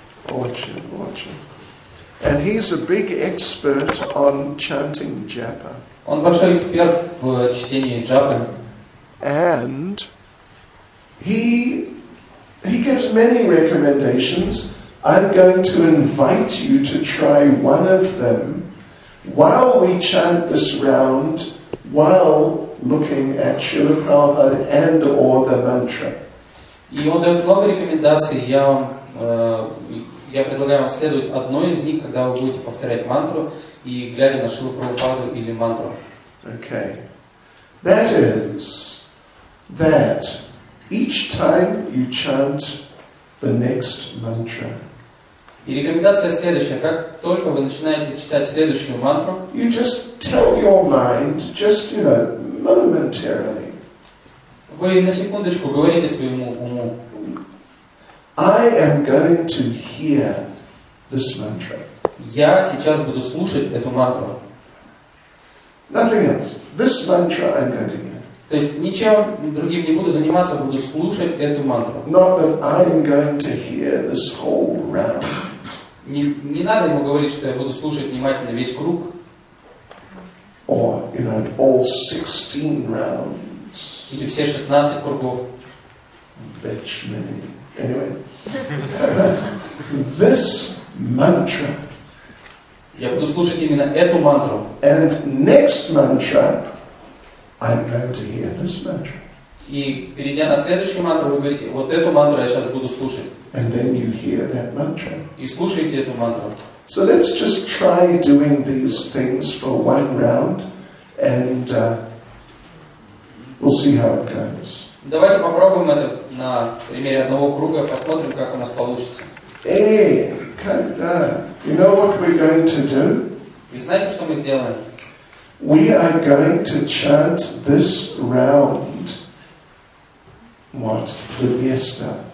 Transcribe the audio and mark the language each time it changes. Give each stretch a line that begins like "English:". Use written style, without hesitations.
Russian: Очень, очень.
English: And he's a big expert on chanting japa.
Russian: Он большой эксперт в чтении джапы.
English: And he gives many recommendations. I'm going to invite you to try one of them. While we chant this round, while looking at Srila Prabhupada and or the mantra.
Russian: И он дает много рекомендаций, я предлагаю вам следовать одной из них, когда вы будете повторять мантру и глядя на Шрилу Прабхупаду или мантру.
English: Okay. That is that each time you chant the next mantra.
Russian: И рекомендация следующая. Как только вы начинаете читать следующую мантру,
English: you just tell your mind, just, you know, momentarily.
Russian: Вы на секундочку говорите своему уму.
English: I am going to hear this mantra.
Russian: Я сейчас буду слушать эту мантру.
English: Nothing else. This mantra I'm going to hear.
Russian: То есть ничем другим не буду заниматься, буду слушать эту мантру.
English: Not that I am going to hear this whole round.
Russian: Не надо ему говорить, что я буду слушать внимательно весь круг.
English: Or, you know, all 16 rounds.
Russian: Или все 16 кругов.
English: Which many. Anyway. This mantra.
Russian: Я буду слушать именно эту мантру.
English: And next mantra, I'm going to hear this mantra.
Russian: И перейдя на следующую мантру, вы говорите, вот эту мантру я сейчас буду слушать.
English: And then you hear that mantra.
Russian: И слушайте эту мантру.
English: So let's just try doing these things for one round, and we'll see how it goes.
Russian: Давайте попробуем это на примере одного круга, посмотрим, как у нас получится. Эй, когда?
English: You know what we're going to do?
Russian: Вы знаете, что мы сделаем?
English: We are going to chant this round. What? Vinyasa.